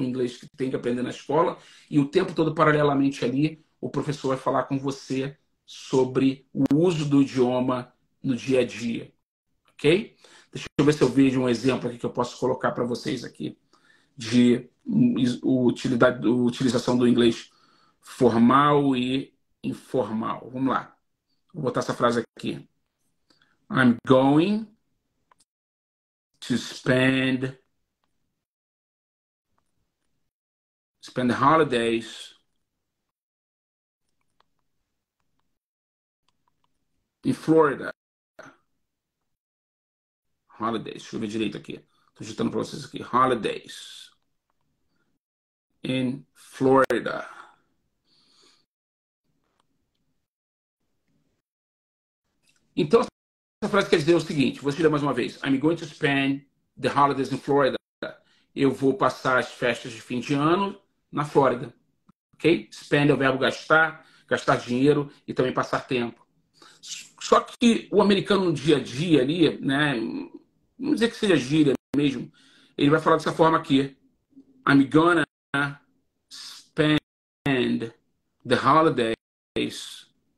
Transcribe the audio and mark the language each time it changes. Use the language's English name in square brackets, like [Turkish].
[Portuguese] Um inglês que tem que aprender na escola. E o tempo todo, paralelamente ali, o professor vai falar com você sobre o uso do idioma no dia a dia, ok? Deixa eu ver se eu vejo um exemplo aqui que eu posso colocar para vocês aqui de utilização do inglês formal e informal. Vamos lá. Vou botar essa frase aqui. [English] I'm going to spend the holidays in Florida. [Portuguese] Holidays. Deixa eu ver direito aqui. Estou digitando para vocês aqui. Holidays. em Florida. Então, essa frase quer dizer o seguinte: vou te ler mais uma vez. [English] I'm going to spend the holidays in Florida. [Portuguese] Eu vou passar as festas de fim de ano na Flórida. Ok? Spend é o verbo gastar, gastar dinheiro e também passar tempo. Só que o americano no dia a dia ali, né? Vamos dizer que seja gíria mesmo, ele vai falar dessa forma aqui. [English] I'm gonna spend the holidays.